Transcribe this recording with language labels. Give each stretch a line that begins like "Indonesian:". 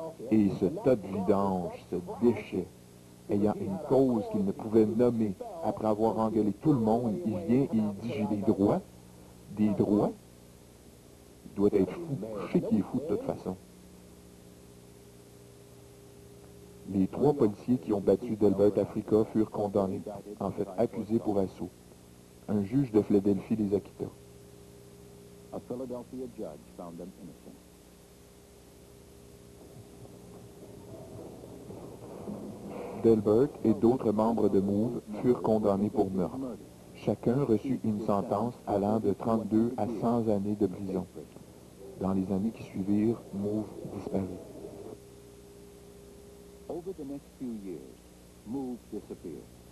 French: Et ce tas de vidange, ce déchet, ayant une cause qu'il ne pouvait nommer après avoir engueulé tout le monde, il vient et il dit « J'ai des droits. » Des droits? Il doit être fou. Je sais qu'il est fou de toute façon. Les trois policiers qui ont battu Delbert Africa furent condamnés, en fait accusés pour assaut. Un juge de Philadelphie les acquitta.
English: A Philadelphia judge found them innocent.
French: Delbert et d'autres membres de MOVE furent condamnés pour meurtre. Chacun reçut une sentence allant de 32 à 100 années de prison. Dans les années qui suivirent, MOVE disparut.
English: Over the next few years, MOVE disappeared.